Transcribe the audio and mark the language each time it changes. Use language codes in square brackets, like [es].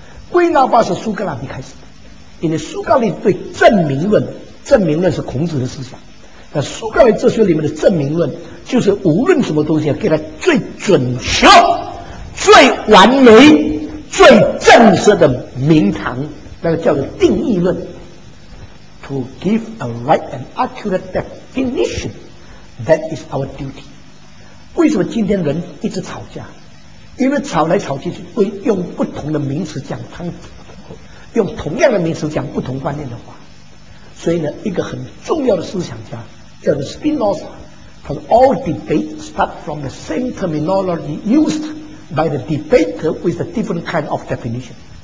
[zh] 归纳法是苏格拉底开始的，因为苏格拉底对证明论，证明论是孔子的思想，那苏格拉底哲学里面的证明论就是无论什么东西要给它最准确最完美最正式的名堂，那个叫做定义论。 [en] To give a right and accurate definition, that is our duty. [zh] 为什么今天人一直吵架？因为吵来吵去会用不同的名词讲，用同样的名词讲不同观念的话。所以呢，一个很重要的思想家叫做 [en] Spinoza， [zh] 他说 [en] All debate start from the same terminology used by the debater with a different kind of definition.